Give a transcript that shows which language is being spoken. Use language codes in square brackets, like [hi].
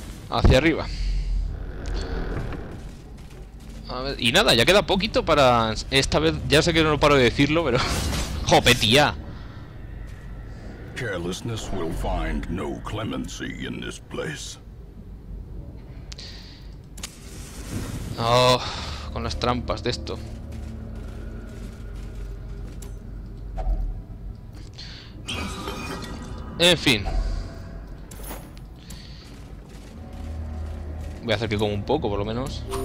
[es] Hacia arriba. A ver, y nada, ya queda poquito para... Esta vez, ya sé que no paro de decirlo, pero... ¡Jope, tía! [en] Carelessness will find no clemency in this place. [es] Oh, con las trampas de esto. En fin. Voy a hacer que como un poco, por lo menos.